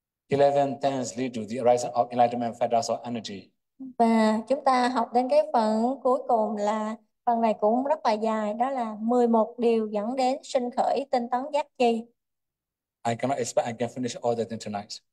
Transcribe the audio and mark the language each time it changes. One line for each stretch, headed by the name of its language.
English: 11 things lead to the arising of enlightenment factors of energy.
Vietnamese: Và chúng ta học đến cái phần cuối cùng là phần này cũng rất là dài, đó là 11 điều dẫn đến sinh khởi tinh tấn giác chi.
English: I cannot expect I can finish all the things tonight.